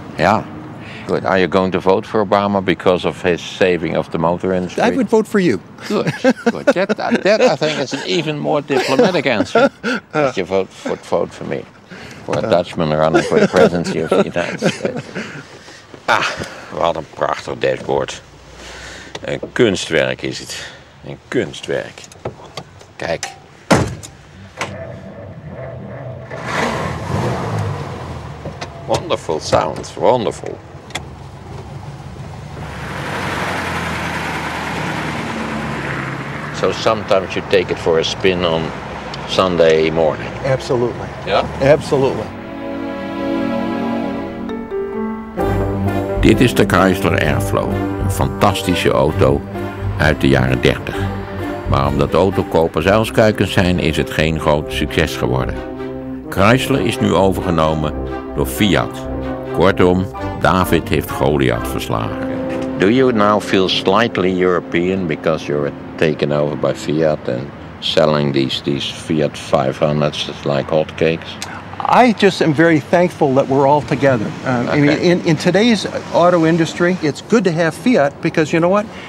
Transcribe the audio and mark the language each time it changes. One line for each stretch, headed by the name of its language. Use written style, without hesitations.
English: Yeah. Good. Are you going to vote for Obama because of his saving of the motor industry? I would vote for you. Good. That I think is an even more diplomatic answer. That you vote for me. For a Dutchman running for the presidency of the United States.
Dutch: Ah, wat een prachtig dashboard. Een kunstwerk is het. Een kunstwerk. Kijk.
English: Wonderful sound. Wonderful. So sometimes you take it for a spin on Sunday morning. Absolutely. Yeah? Absolutely.
Dutch: Dit is de Chrysler Airflow. Een fantastische auto uit de jaren 30. Maar omdat autokopers uilskuikens zijn, is het geen groot succes geworden. Chrysler is nu overgenomen door Fiat. Kortom, David heeft Goliath verslagen.
English: Do you now feel slightly European because you're taken over by Fiat and selling these Fiat 500s like hotcakes? I just am very thankful that we're all together. Okay. I mean, in today's auto industry, it's good to have Fiat because you know what?